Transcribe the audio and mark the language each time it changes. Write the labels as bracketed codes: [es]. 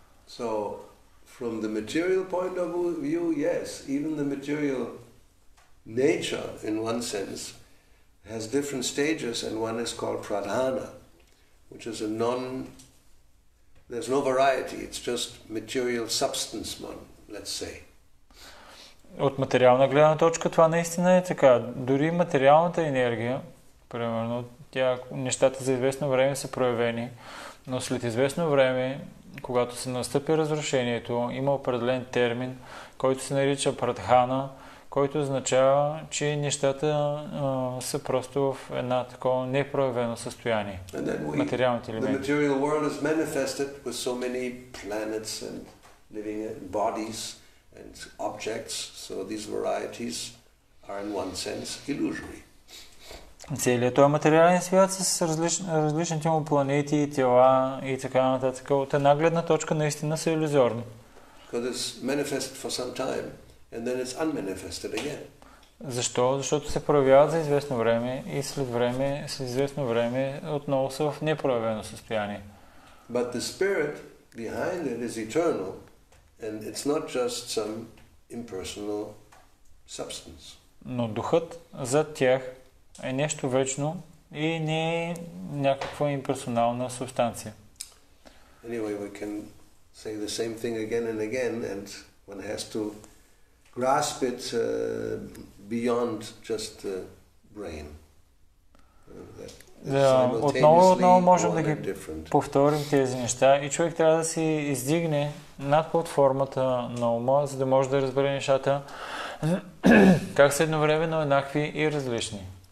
[en] So, from the material point of view, yes, even the material nature, in one sense, has different stages, and one is called pradhana, which is a non... There's no variety, it's just material substance, let's say. [bg] От материална гледна точка това наистина е така. Дори материалната енергия, примерно, тя, нещата за известно време са проявени, но след известно време, когато се настъпи разрушението, има определен термин, който се нарича прадхана, който означава, че нещата са просто в една такова непроявено състояние. Материалните елементи. [en] And objects, so these varieties are in one sense illusory. [bg] Целият този материален свят с различните му планети, тела и така нататък, от една гледна точка наистина са иллюзорни. [en] Because it's manifested for some time and then it's unmanifested again. [bg] Защо? Защото се проявяват за известно време и след време, след известно време отново са в непроявено състояние. [en] But the spirit behind it is eternal. And it's not just some impersonal substance. [bg] Но духът зад тях е нещо вечно и не е някаква имперсонална субстанция. [en] Anyway, we can say the same thing again and again, and one has to grasp it beyond just the brain. [bg] Да, отново можем да ги повторим тези неща и човек трябва да се издигне над платформата на ума, за да може да разбере нещата как са едновременно еднакви и различни.